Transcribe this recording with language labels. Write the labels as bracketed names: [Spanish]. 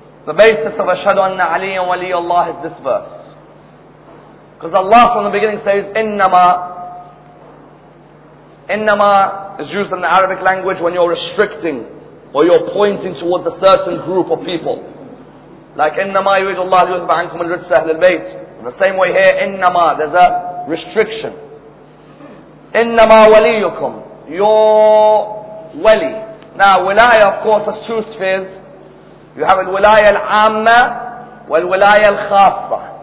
[English] The basis of [Arabic] أَشْهَدُ أَنَّ عَلِيًّا وَلِيُّ اللَّهِ [English] is this verse. Because Allah from the beginning says, إِنَّمَا is used in the Arabic language when you're restricting or you're pointing towards a certain group of people. [Arabic] Like إِنَّمَا يُرِيدُ اللَّهُ لِيُذْهِبَ عَنْكُمُ الرِّجْسَ أَهْلَ الْبَيْتِ. [English] In the same way here, إِنَّمَا, there's a restriction. [Arabic] إِنَّمَا وَلِيُّكُمْ, [English] your wali. Now, wilayah of course has two spheres. You have [Arabic] الولايه العامة والولايه الخاصة.